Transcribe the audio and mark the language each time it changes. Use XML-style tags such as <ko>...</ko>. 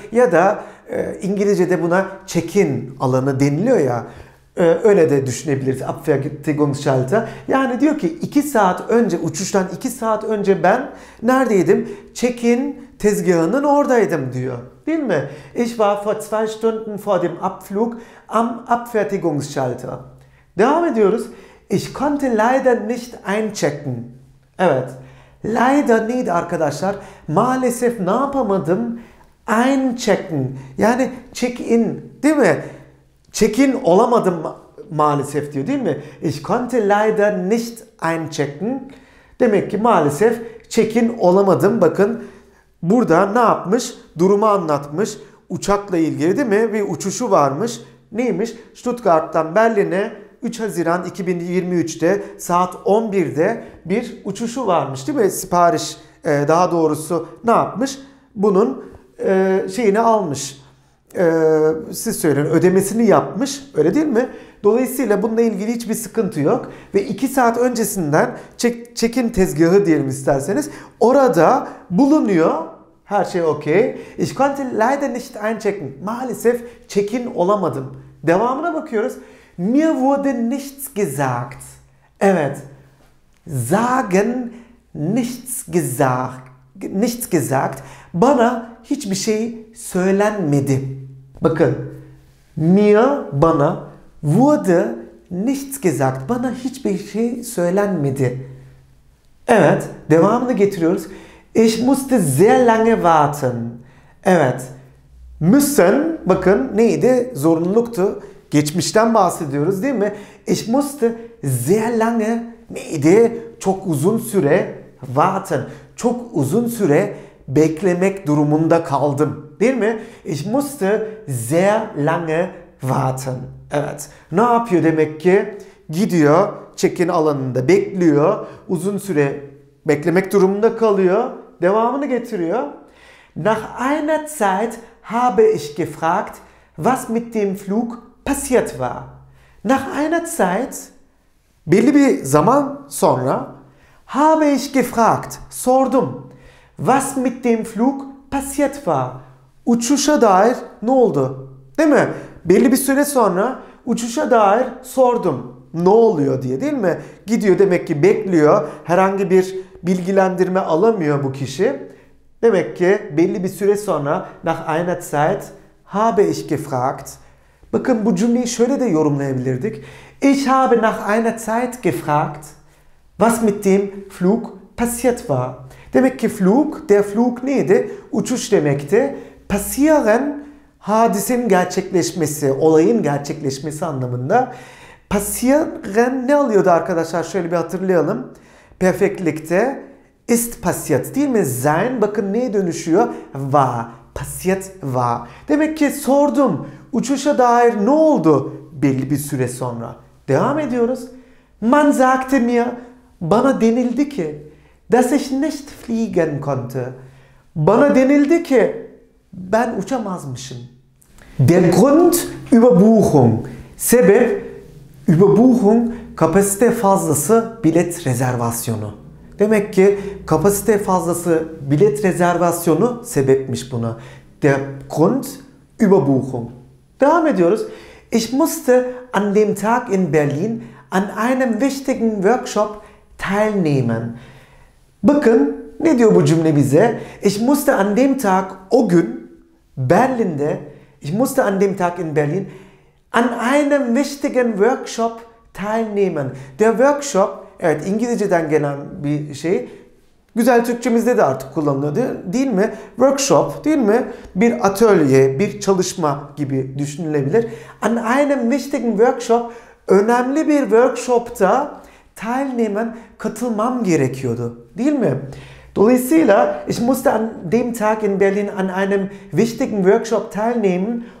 <tr>Ya da İngilizce'de buna check-in alanı deniliyor ya, öyle de düşünebiliriz, Abfertigungsschalter. Yani diyor ki 2 saat önce, uçuştan 2 saat önce ben neredeydim? Check-in tezgahının oradaydım diyor. Değil mi?</tr> <de>Ich war vor 2 Stunden vor dem Abflug am Abfertigungsschalter.</de> <tr>Devam ediyoruz.</tr> <de>Ich konnte leider nicht einchecken.</de> <tr>Evet. Leider neydi arkadaşlar? Maalesef ne yapamadım? Einchecken. Yani check-in, değil mi? Check-in olamadım maalesef diyor, değil mi?</tr> <de>Ich konnte leider nicht einchecken.</de> <tr>Demek ki maalesef check-in olamadım. Bakın burada ne yapmış? Durumu anlatmış. Uçakla ilgili, değil mi? Bir uçuşu varmış. Neymiş? Stuttgart'tan Berlin'e 3 Haziran 2023'te saat 11'de bir uçuşu varmış, değil mi? Sipariş, daha doğrusu ne yapmış? Bunun şeyini almış. Siz söyleyin, ödemesini yapmış, öyle değil mi? Dolayısıyla bununla ilgili hiçbir sıkıntı yok. Ve 2 saat öncesinden check-in tezgahı diyelim isterseniz, orada bulunuyor. Her şey okey. Ich konnte leider nicht einchecken. Maalesef check-in olamadım. Devamına bakıyoruz.</tr> <de>Mir wurde nichts gesagt. Evet. Sagen nichts gesagt. Nichts gesagt.</de> <tr>Bana hiçbir şey söylenmedi. Bakın.</tr> <de>Mir, bana. Wurde nichts gesagt.</de> <tr>Bana hiçbir şey söylenmedi. Evet. Devamını getiriyoruz.</tr> <de>Ich musste sehr lange warten.</de> <tr>Evet. Müssen, bakın neydi? Zorunluluktu. Geçmişten bahsediyoruz, değil mi?</tr> <de>Ich musste sehr lange, neydi?</de> <tr>Çok uzun süre warten. Çok uzun süre beklemek durumunda kaldım. Değil mi? Ich musste sehr lange warten. Evet. Ne yapıyor demek ki? Gidiyor, check-in alanında bekliyor. Uzun süre beklemek durumunda kalıyor. Devamını getiriyor.</tr> <de>Nach einer Zeit habe ich gefragt, was mit dem Flug passiert war. Nach einer Zeit,</de> <tr>belli bir zaman sonra,</tr> <de>habe ich gefragt, sordum, was mit dem Flug passiert war.</de> <tr>Uçuşa dair ne oldu? Değil mi? Belli bir süre sonra uçuşa dair sordum. Ne oluyor diye, değil mi? Gidiyor demek ki, bekliyor. Herhangi bir bilgilendirme alamıyor bu kişi. Demek ki belli bir süre sonra,</tr> <de>nach einer Zeit habe ich gefragt.</de> <tr>Bakın bu cümleyi şöyle de yorumlayabilirdik.</tr> <de>Ich habe nach einer Zeit gefragt, was mit dem Flug passiert war.</de> <tr>Demek ki Flug, der Flug neydi? Uçuş demekti. Passieren, hadisenin gerçekleşmesi, olayın gerçekleşmesi anlamında. Passieren ne alıyordu arkadaşlar? Şöyle bir hatırlayalım. Perfektlikte</tr> <de>ist passiert</de> <tr>değil mi? Sein bakın neye dönüşüyor? War.</tr> <de>Passiert war.</de> <tr>Demek ki sordum. Uçuşa dair ne oldu belli bir süre sonra? Devam ediyoruz.</tr> <de>Man sagte mir.</de> <tr>Bana denildi ki.</tr> <de>Dass ich nicht fliegen konnte.</de> <tr>Bana denildi ki. Ben uçamazmışım.</tr> <de>Der Grund Überbuchung.</de> <tr>Sebep Überbuchung kapasite fazlası bilet rezervasyonu. Demek ki kapasite fazlası bilet rezervasyonu sebepmiş buna.</tr> <de>Der Grund Überbuchung.</de> <tr>Devam ediyoruz.</tr> <de>Ich musste an dem Tag in Berlin an einem wichtigen Workshop teilnehmen.</de> <tr>Bakın ne diyor bu cümle bize?</tr> <de>Ich musste an dem Tag</de> <tr>o gün Berlin'de</tr> <de>Ich musste an dem Tag in Berlin an einem wichtigen Workshop teilnehmen.</de> <tr>Der Workshop, evet İngilizceden gelen bir şey. Güzel Türkçemizde de artık kullanılıyor değil mi? Workshop değil mi? Bir atölye, bir çalışma gibi düşünülebilir.</tr> <de>An einem wichtigen Workshop,</de> <tr>önemli bir workshopta teilnehmen, katılmam gerekiyordu değil mi?</tr> <de>Dolayısıyla ich musste an dem Tag in Berlin an einem wichtigen Workshop teilnehmen.</de>